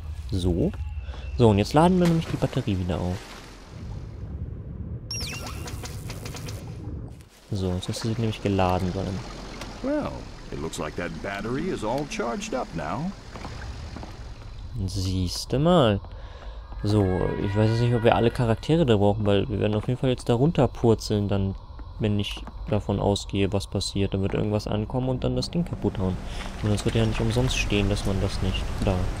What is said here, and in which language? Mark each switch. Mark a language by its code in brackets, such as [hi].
[de] So. So, und jetzt laden wir nämlich die Batterie wieder auf. So, jetzt müsste sie nämlich geladen sein. [en] Well, it looks like that battery is all charged up now. [de] Siehste mal. So, ich weiß jetzt nicht, ob wir alle Charaktere da brauchen, weil wir werden auf jeden Fall jetzt da runterpurzeln, dann, wenn ich davon ausgehe, was passiert. Dann wird irgendwas ankommen und dann das Ding kaputt hauen. Und das wird ja nicht umsonst stehen, dass man das nicht da.